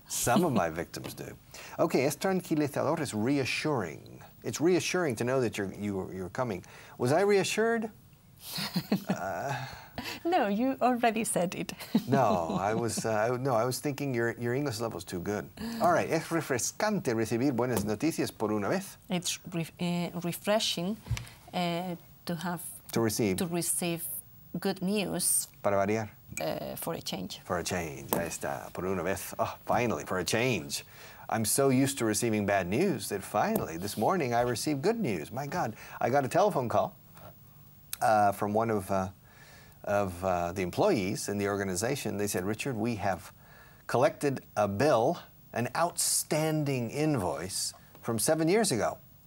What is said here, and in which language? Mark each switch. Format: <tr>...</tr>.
<en>Some of my victims do. Okay,</en> <es>es tranquilizador</es> <en>is reassuring. It's reassuring to know that you're coming. Was I reassured? No, you already said it. No, I was thinking your English level is too good.</en> <es>All right, es refrescante recibir buenas noticias por una vez.</es> <en>It's refreshing to have to receive good news.</en> <es>Para variar.</es> <en>For a change. For a change,</en> <es>ahí está, por una vez.</es> <en>Oh, finally, for a change. I'm so used to receiving bad news that finally this morning I received good news. My God, I got a telephone call from one of the employees in the organization. They said, Richard, we have collected a bill, an outstanding invoice from 7 years ago.</en>